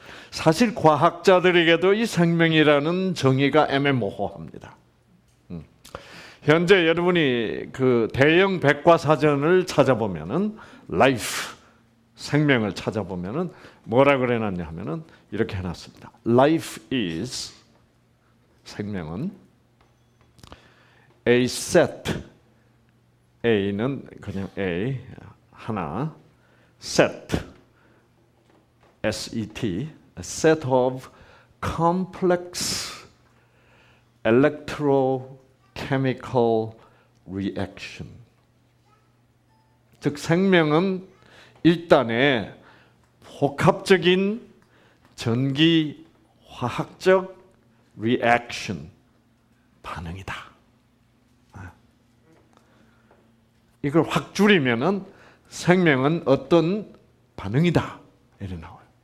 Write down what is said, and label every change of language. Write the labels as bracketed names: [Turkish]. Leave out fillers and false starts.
[Korean] 사실 과학자들에게도 이 생명이라는 정의가 애매모호합니다. 현재 여러분이 그 대형 백과사전을 찾아보면은 life 생명을 찾아보면은 뭐라 그래놨냐 하면은 이렇게 해놨습니다. [English] Life is [Korean] 생명은 [English] a set a는 [Korean] 그냥 [English] a [Korean] 하나 [English] set S-E-T a set of complex electro chemical reaction. [Korean] 즉 생명은 일단에 복합적인 전기 화학적 reaction 반응이다. 이걸 확 줄이면은 생명은 어떤 반응이다. 이렇게 나와요.